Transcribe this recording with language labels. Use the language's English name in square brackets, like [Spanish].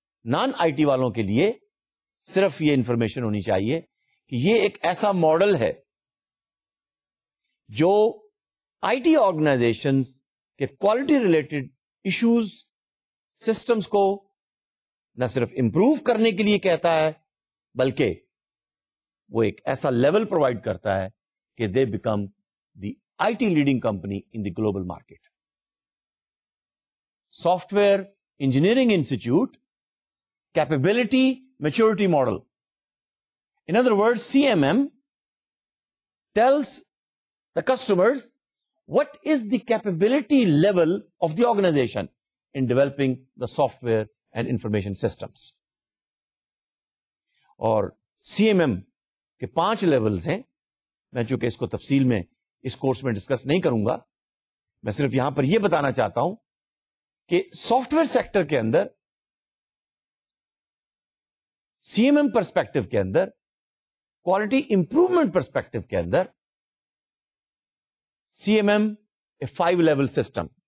[Urdu] Naan I T والوں کے لیے صرف یہ انفارمیشن ہونی چاہیے کہ یہ ایک ایسا ماڈل ہے جو آئی ٹی آرگنائزیشنز کے کوالٹی ریلیٹڈ ایشوز سسٹمز کو نہ صرف امپروو کرنے کے لیے کہتا ہے بلکہ وہ ایک ایسا لیول پرووائڈ کرتا ہے کہ they become the I T leading company in the global market. Soft ware [English] Engineering institute capability maturity model. In other word C M M tells the customers what is the capability level of the organisation in developing the software and information systems. [Urdu] اور C M M کے پانچ levels ہیں. میں چونکہ اس کو تفصیل میں اس course میں ڈسکس نہیں کروں گا, میں صرف یہاں پر یہ بتانا چاہتا ہوں کہ سافٹ ویئر سیکٹر کے اندر سی ایم ایم پرسپیکٹو کے اندر کوالٹی امپروومنٹ پرسپیکٹو کے اندر سی ایم ایم اے فائیو لیول سسٹم.